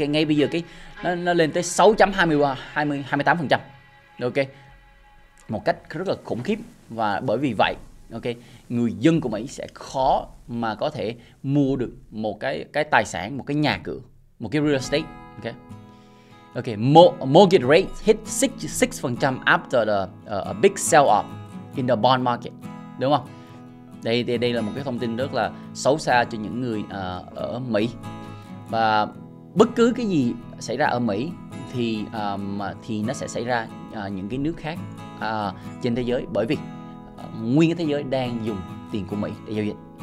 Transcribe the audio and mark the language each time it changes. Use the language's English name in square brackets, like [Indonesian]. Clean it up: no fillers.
[Vietnamese] Ngay bây giờ nó lên tới 6.28%, ok, một cách rất là khủng khiếp. Và bởi vì vậy, ok, người dân của Mỹ sẽ khó mà có thể mua được một cái tài sản, một cái nhà cửa, một cái real estate, ok. [English] Ok, mortgage rate hit 6% after a big sell off in the bond market, [Vietnamese] đúng không? Đây là một cái thông tin rất là xấu xa cho những người ở Mỹ. Và bất cứ cái gì xảy ra ở Mỹ thì nó sẽ xảy ra những cái nước khác trên thế giới, bởi vì nguyên cái thế giới đang dùng tiền của Mỹ để giao dịch.